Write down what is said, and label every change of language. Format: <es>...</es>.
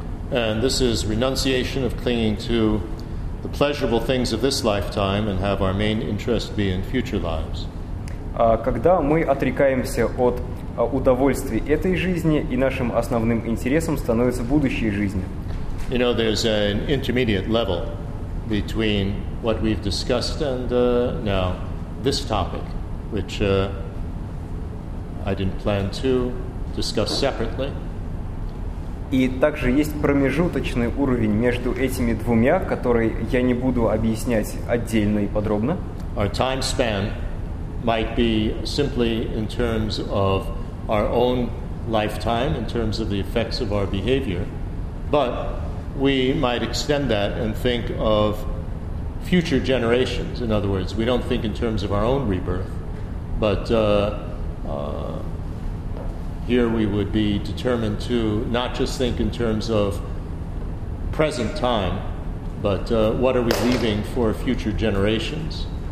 <en>And this is renunciation of clinging to the pleasurable things of this lifetime and have our main interest be in future lives.</en> <ru>Когда мы отрекаемся от удовольствий этой жизни, и нашим основным интересом становится будущая жизнь.</ru> <en>You know, there's an intermediate level between what we've discussed and now this topic, which I didn't plan to discuss separately.</en> <ru>И также есть промежуточный уровень между этими двумя, который я не буду объяснять отдельно и подробно.</ru> <en>Our time span might be simply in terms of our own lifetime, in terms of the effects of our behavior, but we might extend that and think of future generations. In other words, we don't think in terms of our own rebirth, but here we would be determined to not just think in terms of present time, but what are we leaving for future generations?</en>